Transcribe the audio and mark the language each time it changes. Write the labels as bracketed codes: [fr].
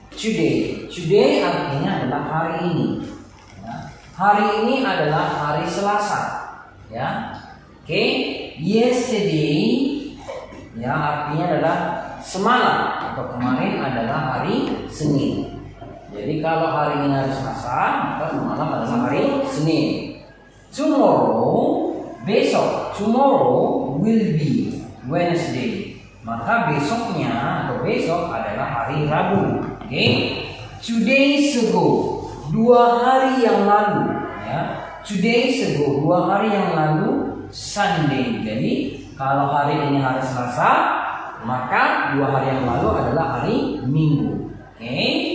[id] Today, today artinya adalah hari ini. Ya, hari ini adalah hari Selasa. Ya, okay. Yesterday, ya artinya adalah semalam atau kemarin adalah hari Senin. Jadi kalau hari ini hari Selasa, maka malam adalah hari Senin. [en] Tomorrow, [id] besok, [en] tomorrow will be Wednesday. [id] Maka besoknya atau besok adalah hari Rabu. Oke? [en] Okay? 2 days ago, [id] 2 hari yang lalu. Ya, [en] 2 days ago, [id] 2 hari yang lalu, Sunday. Jadi kalau hari ini hari Selasa, maka 2 hari yang lalu adalah hari Minggu. Oke? Okay?